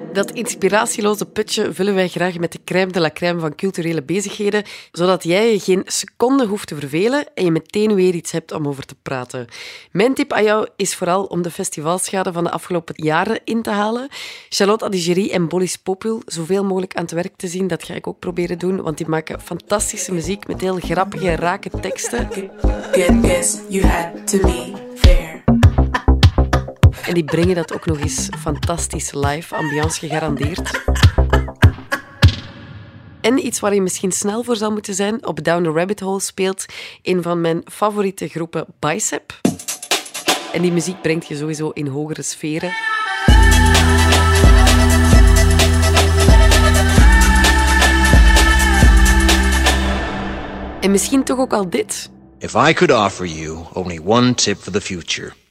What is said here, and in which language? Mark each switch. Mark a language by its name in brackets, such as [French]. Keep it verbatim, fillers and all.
[Dutch] Dat inspiratieloze putje vullen wij graag met de crème de la crème van culturele bezigheden, zodat jij je geen seconde hoeft te vervelen en je meteen weer iets hebt om over te praten. Mijn tip aan jou is vooral om de festivalschade van de afgelopen jaren in te halen. Charlotte Adigerie en Bolis Popul zoveel mogelijk aan het werk te zien, dat ga ik ook proberen doen, want die maken fantastische muziek met heel grappige en rake teksten. [English] Good guess you had to be fair. [Dutch] En die brengen dat ook nog eens fantastisch live, ambiance gegarandeerd. En iets waar je misschien snel voor zou moeten zijn, op Down the Rabbit Hole speelt een van mijn favoriete groepen, Bicep. En die muziek brengt je sowieso in hogere sferen. En misschien toch ook al dit. [English] If I could offer you only one tip for the future.